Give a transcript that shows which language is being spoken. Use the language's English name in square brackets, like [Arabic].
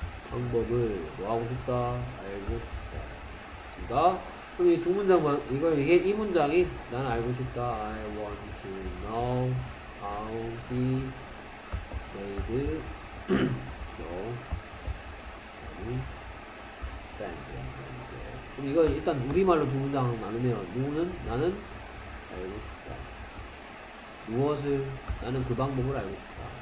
[Korean] 방법을 뭐하고 싶다? 알고 싶다. 그니까, 그럼 이 두 문장만, 이걸, 이게 이 문장이, 난 알고 싶다. [English] I want to know how he made so many friends. [Korean] 그럼 이거 일단 우리말로 두 문장 나누면, 누구는? 나는 알고 싶다. 무엇을? 나는 그 방법을 알고 싶다.